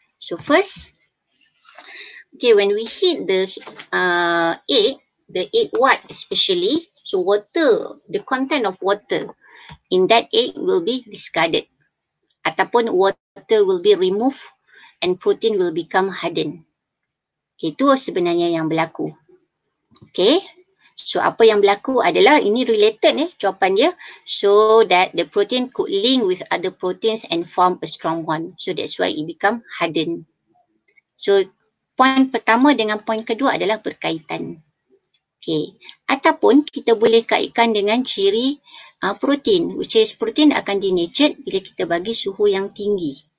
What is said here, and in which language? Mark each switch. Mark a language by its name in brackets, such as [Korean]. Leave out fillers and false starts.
[English] So, first, okay, when we heat the egg, the egg white especially, so water, the content of water in that egg will be discarded. [Malay] Ataupun [English] water will be removed and protein will become hardened. [Malay] Okay, itu sebenarnya yang berlaku. Okay, so apa yang berlaku adalah ini [English] related [Malay] jawapan dia. [English] So that the protein could link with other proteins and form a strong one. So that's why it become hardened. [Malay] So point pertama dengan point kedua adalah berkaitan. Okay, ataupun kita boleh kaitkan dengan ciri protein, [English] which is [Malay] protein akan denatured bila kita bagi suhu yang tinggi.